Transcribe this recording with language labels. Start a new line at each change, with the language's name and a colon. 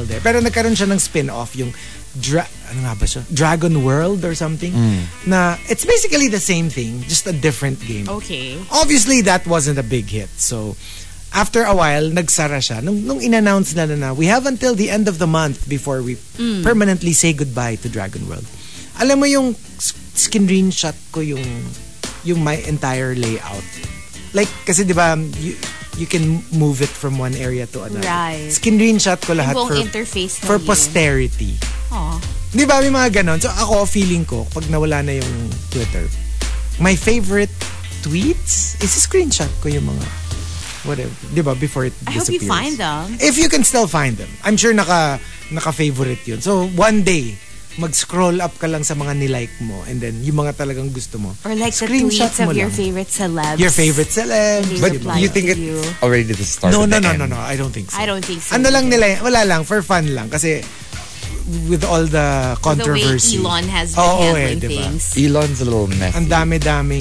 Filipino: Pero nagkaroon siya ng spin-off, yung... ano nga ba siya? Dragon World or something?
English: Na, it's basically the same thing, just a different game. Okay. Obviously, that wasn't a big hit. So, after a while,
Filipino: nagsara siya.
English: Nung in-announce na na, we have until the end of the month before we permanently say goodbye to Dragon World.
Filipino: Alam mo yung screenshot ko yung
English: my entire layout. Like,
Filipino: kasi diba,
English: you can move it from one area to another. Right.
Filipino: Screenshot ko lahat for
English: interface for posterity. Aww.
Filipino: Diba, may mga ganon. So, ako, feeling ko, pag nawala na yung Twitter,
English: my favorite tweets is
Filipino: screenshot ko yung mga whatever.
English: Diba, before it disappears. I hope you find them. If you can still find them. I'm sure
Filipino: naka-favorite yun. So, one day, mag-scroll up ka lang sa mga nilike mo
English: and then
Filipino: yung mga talagang gusto mo.
English: Or like screenshot the tweets of your favorite celebs. Your favorite celebs. But you think it's already the start no, of no, the no, end? No, no, no, no. I don't think so. I don't think so.
Filipino: Ano lang nila, wala lang,
English: for fun
Filipino: lang.
English: Kasi with all the controversy. The way Elon has been handling things. Diba? Elon's a little messy.
Filipino: Ang dami-daming.